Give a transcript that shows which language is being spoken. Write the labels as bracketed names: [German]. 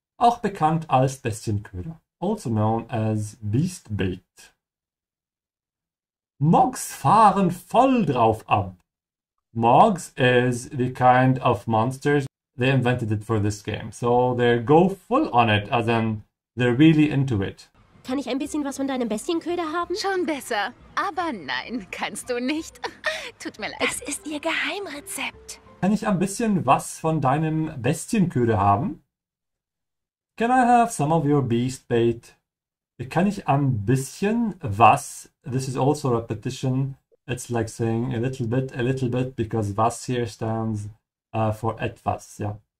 [German] Auch bekannt als Bestienköder. [English] Also known as Beastbait. [German] Mogs fahren voll drauf ab. [English] Mogs is the kind of monsters they invented it for this game. So they go full on it, as in they're really into it. [German] Kann ich ein bisschen was von deinem Bestienköder haben? Schon besser. Aber nein, kannst du nicht. Tut mir leid. Das ist ihr Geheimrezept. Kann ich ein bisschen was von deinem Bestienköder haben? [English] Can I have some of your beast bait? [German] Kann ich ein bisschen was? [English] This is also repetition. It's like saying a little bit, because was here stands for etwas, yeah.